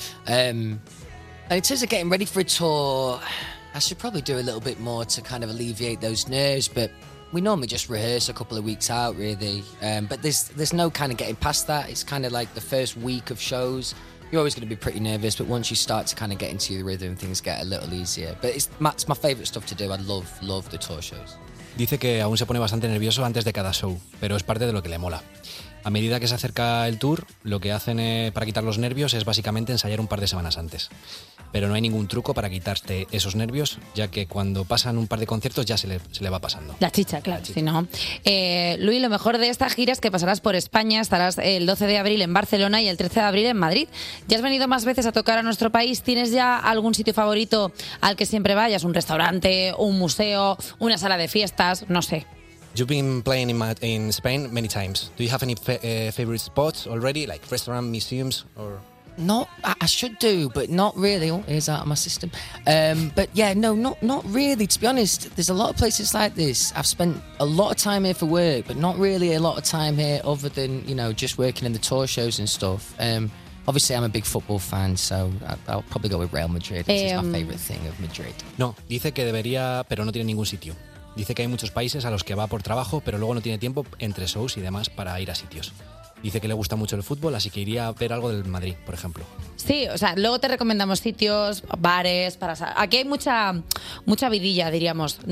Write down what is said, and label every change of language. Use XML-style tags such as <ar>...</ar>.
<en>And in terms of getting ready for a tour, I should probably do a little bit more to kind of alleviate those nerves, but we normally just rehearse a couple of weeks out, really. But there's no kind of getting past that. It's kind of like the first week of shows. You're always going to be pretty nervous, but once you start to kind of get into your rhythm, things get a little easier. But it's my favorite stuff to do. I love the tour shows.</en> <es>Dice que aún se pone bastante nervioso antes de cada show, pero es parte de lo que le mola. A medida que se acerca el tour, lo que hacen para quitar los nervios es básicamente ensayar un par de semanas antes. Pero no hay ningún truco para quitarte esos nervios, ya que cuando pasan un par de conciertos ya se le va pasando. La chicha, claro. La chicha. Si no. Louis, lo mejor de esta gira es que pasarás por España, estarás el 12 de abril en Barcelona y el 13 de abril en Madrid. Ya has venido más veces a tocar a nuestro país. ¿Tienes ya algún sitio favorito al que siempre vayas? ¿Un restaurante, un museo, una sala de fiestas? No sé.</es> <en>You've been playing in Spain many times. Do you have any favorite spots already, like restaurant, museums, or? No, I should do, but not really. Oh, it's out of my system. But yeah, no, not really. To be honest, there's a lot of places like this. I've spent a lot of time here for work, but not really a lot of time here other than, you know, just working in the tour shows and stuff. Obviously, I'm a big football fan, so I'll probably go with Real Madrid. It's my favorite thing of Madrid.</en> <es>No, dice que debería, pero no tiene ningún sitio. Dice que hay muchos países a los que va por trabajo, pero luego no tiene tiempo entre shows y demás para ir a sitios. Dice que le gusta mucho el fútbol, así que iría a ver algo del Madrid, por ejemplo. Sí, o sea, luego te recomendamos sitios, bares, para... Aquí hay mucha vidilla, diríamos.</es>